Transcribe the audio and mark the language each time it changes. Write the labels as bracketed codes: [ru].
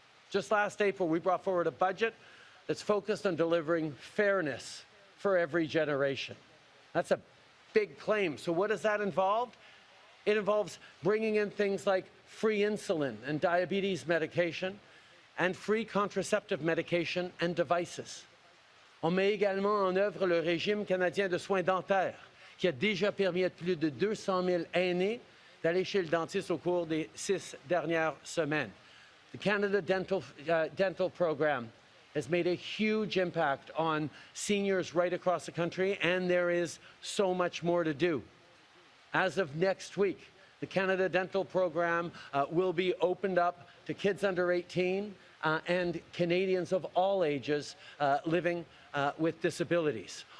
[en] Just last April, we brought forward a budget that's focused on delivering fairness for every generation. That's a big claim. So what does that involve? It involves bringing in things like free insulin and diabetes medication, and free contraceptive medication and devices. [fr] On met également en œuvre le régime canadien de soins dentaires, qui a déjà permis à plus de 200 000 aînés d'aller chez le dentiste au cours des six dernières semaines. [en] The Canada Dental Program has made a huge impact on seniors right across the country, and there is so much more to do. As of next week, the Canada Dental Program will be opened up to kids under 18 and Canadians of all ages living with disabilities.